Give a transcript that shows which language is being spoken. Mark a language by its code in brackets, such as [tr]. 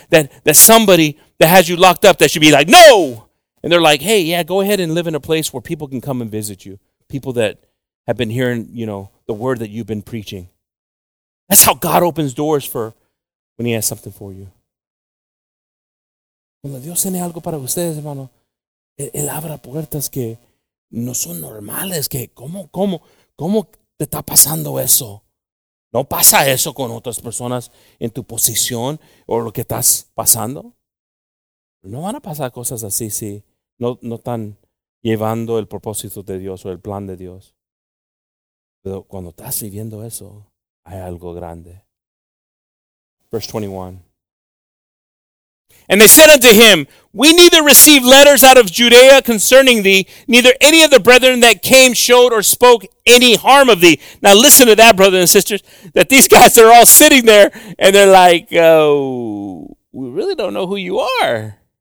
[en] That somebody that has you locked up that should be like, no! And they're like, hey, yeah, go ahead and live in a place where people can come and visit you. People that have been hearing, you know, the word that you've been preaching. That's how God opens doors for when he has something for you. [es] Cuando Dios tiene algo para ustedes, hermano, Él abre puertas que no son normales, que ¿cómo te está pasando eso? ¿No pasa eso con otras personas en tu posición o lo que estás pasando? No van a pasar cosas así si no están llevando el propósito de Dios o el plan de Dios. Pero cuando estás viviendo eso, hay algo grande. [en] Verse 21. And they said unto him, we neither received letters out of Judea concerning thee, neither any of the brethren that came showed or spoke any harm of thee. Now listen to that, brothers and sisters, that these guys are all sitting there and they're like, oh, we really don't know who you are.